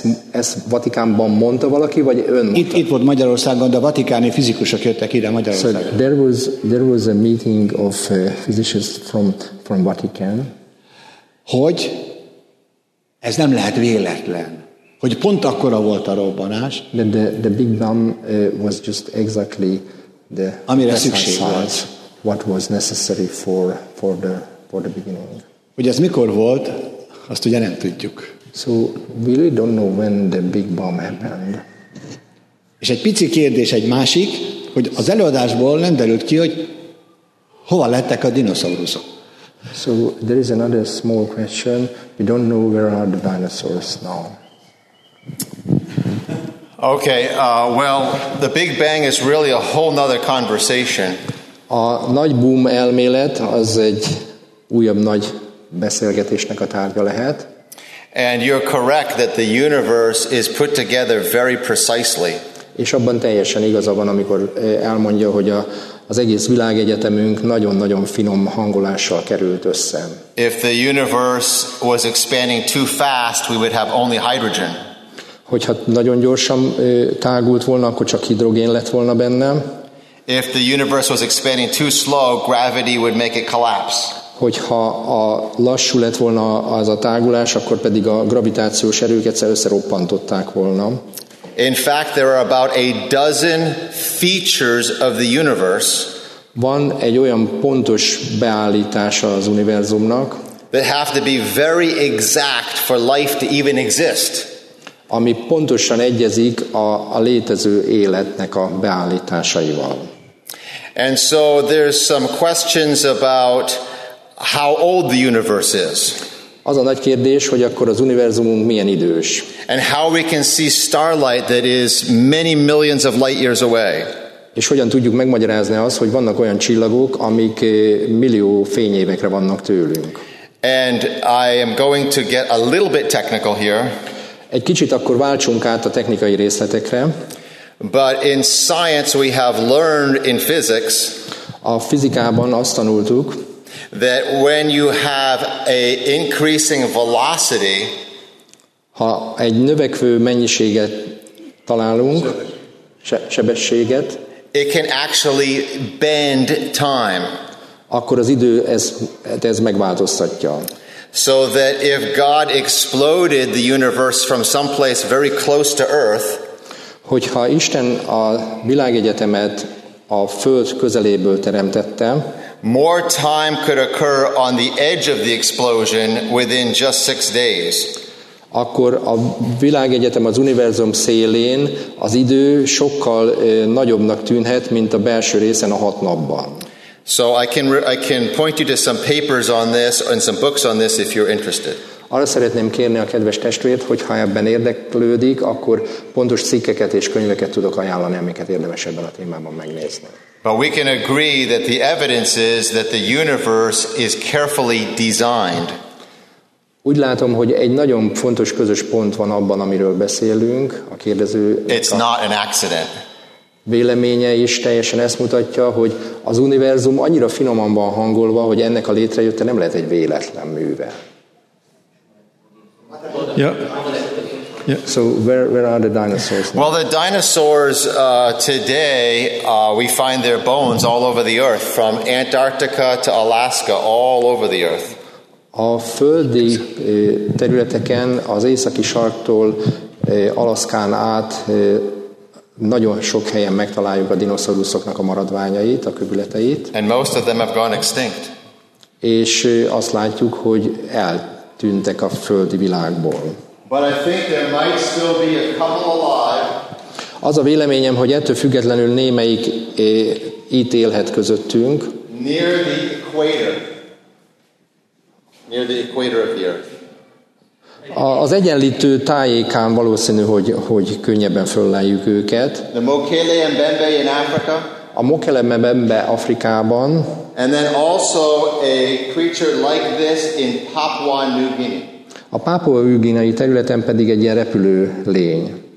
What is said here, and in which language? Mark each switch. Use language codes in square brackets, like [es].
[hu] Ezt Vatikánban mondta valaki, vagy ön mondta? Itt volt Magyarországon, de a vatikáni fizikusok jöttek ide Magyarországon. [en] So there was a meeting of physicists from Vatican. [hu] Hogy ez nem lehet véletlen, hogy pont akkora volt a robbanás. [en] The Big Bang was just exactly the [hu] amire szükség volt. [en] What was necessary for the beginning. [hu] Hogy ez mikor volt, azt ugye nem tudjuk. [en] So we really don't know when the Big Bang happened. [hu] És egy pici kérdés egy másik, hogy az előadásból nem derült ki, hogy hova lettek a dinoszauruszok. [en] So there is another small question. We don't know where are the dinosaurs now. Okay, well, the Big Bang is really a whole nother conversation. [hu] A nagy boom elmélet az egy újabb nagy beszélgetésnek a tárgya lehet. [en] And you're correct that the universe is put together very precisely. [hu] És abban teljesen igaza van, amikor elmondja, hogy az egész világegyetemünk nagyon-nagyon finom hangolással került össze. [en] If the universe was expanding too fast, we would have only hydrogen. [hu] Hogyha nagyon gyorsan tágult volna, akkor csak hidrogén lett volna benne. [en] If the universe was expanding too slow, gravity would make it collapse. [hu] Hogyha a lassú lett volna az a tágulás, akkor pedig a gravitációs erők egyszer összeroppantották volna. [en] In fact, there are about a dozen features of the universe. [hu] Van egy olyan pontos beállítása az univerzumnak. [en] That have to be very exact for life to even exist. [hu] Ami pontosan egyezik a létező életnek a beállításaival. [en] And so there's some questions about how old the universe is. [hu] Az a nagy kérdés, hogy akkor az univerzumunk milyen idős. [en] And how we can see starlight that is many millions of light years away. [hu] És hogyan tudjuk megmagyarázni azt, hogy vannak olyan csillagok, amik millió fényévekre vannak tőlünk. [en] And I am going to get a little bit technical here. [hu] Egy kicsit akkor váltsunk át a technikai részletekre. [en] But in science we have learned in physics. [hu] A fizikában azt tanultuk, [en] that when you have a increasing velocity, [hu] ha egy növekvő mennyiséget találunk, sebességet, [en] it can actually bend time. [hu] Akkor az idő ez megváltoztatja. [en] So that if God exploded the universe from some place very close to Earth, [hu] hogyha Isten a világegyetemet a Föld közeléből teremtette, [en] more time could occur on the edge of the explosion within just 6 days. [hu] Akkor a világegyetem az univerzum szélén az idő sokkal nagyobbnak tűnhet, mint a belső részen a 6 napban. [en] So I can point you to some papers on this and some books on this if you're interested. [hu] Arra szeretném kérni a kedves testvért, hogy ha ebben érdeklődik, akkor pontos cikkeket és könyveket tudok ajánlani, amiket érdemes ebben a témában megnézni. [en] But we can agree that the evidence is that the universe is carefully designed. [hu] Úgy látom, hogy egy nagyon fontos közös pont van abban, amiről beszélünk, a kérdező. [en] It's not an accident. [hu] Véleménye is teljesen ezt mutatja, hogy az univerzum annyira finoman van hangolva, hogy ennek a létrejötte nem lehet egy véletlen műve. [en] Yeah. So where are the dinosaurs now? Well, the dinosaurs today we find their bones all over the earth, from Antarctica to Alaska, all over the earth. [hu] A földi területeken, az északi sarktól Alaszkán át nagyon sok helyen megtaláljuk a dinoszauruszoknak a maradványait, a kövületeit. [en] And most of them have gone extinct. [hu] És azt látjuk, hogy eltűntek a földi világból. [en] But I think there might still be a couple alive. [hu] Az a véleményem, hogy ettől függetlenül némelyik itt élhet közöttünk. [en] Near the equator. Near the equator of the earth. [hu] Az egyenlítő tájékán valószínű, hogy könnyebben föllejük őket. [en] The Mokele Mbembe in Africa. [hu] A Mokele Mbembe Afrikában. [en] And then also a creature like this in Papua New Guinea. [hu] A Pápua Új-Guineai területen pedig egy ilyen repülő lény.